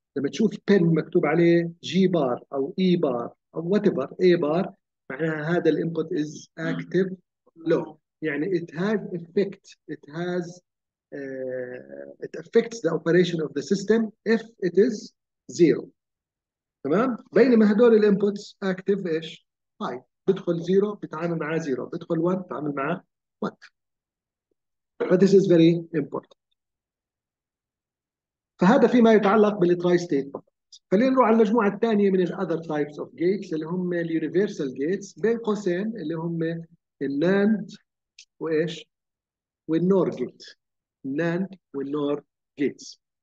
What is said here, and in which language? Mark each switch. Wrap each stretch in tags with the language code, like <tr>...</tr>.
<ar>لما تشوف بن مكتوب عليه</ar> <en>G bar او E bar او whatever E bar,</en> <ar>معناها هذا</ar> <en>الانبوت is active low, يعني it has effect it has it affects the operation of the system if it is zero.</en> <ar>تمام؟ بينما هدول الانبوتس اكتف ايش؟ هاي بدخل zero بتعامل معاه zero، بدخل one بتعامل معاه one.</ar> <en>But this is very important.</en> <ar>فهذا فيما يتعلق بالتراي ستيت. خلينا نروح على المجموعه الثانيه من الاذر تايبس اوف جيتس اللي هم اليونيفرسال جيتس، بين قوسين اللي هم الناند وايش؟ والنور جيت. ناند والنور جيتس.</ar>